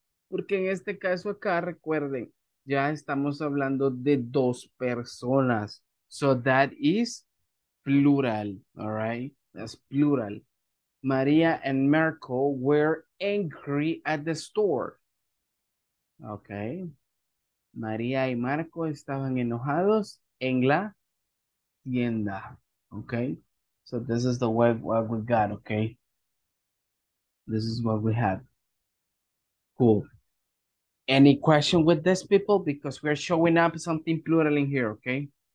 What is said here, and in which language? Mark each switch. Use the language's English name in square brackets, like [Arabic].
[Spanish] Porque en este caso acá, recuerden, ya estamos hablando de dos personas. [English] So that is plural, all right? That's plural. Maria and Marco were angry at the store. Okay. [Spanish] Maria y Marco estaban enojados en la tienda. [English] Okay. So this is the way what we got, okay? This is what we have. Cool. Any question with this, people? Because we're showing up something plural in here, okay?